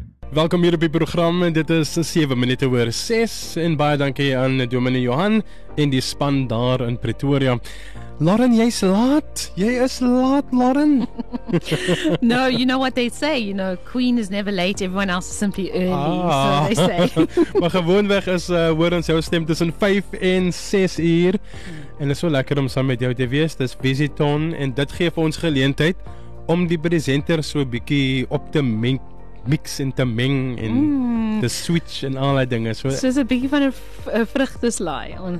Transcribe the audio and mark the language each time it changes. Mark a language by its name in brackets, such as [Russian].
[Afrikaans] Welkom hier op die program. Dit is 7 minute oor 6 en baie dankie aan Dominee Johan en die span daar in Pretoria. Lauren, jy's laat. Jy is laat, Lauren. [English] No, you know what they say, you know, queen is never late, everyone else is simply early, so they say. [Afrikaans] Maar gewoonweg is hoor ons jou stem tussen 5 en 6 uur. En is so lekker om saam met jou te wees. Dis Visiothon en dit gee vir ons geleentheid om die presenter so 'n bietjie op te meng. Mix en te meng en te switch en allerlei dinge. So is a bietjie van 'n vrugteslaai.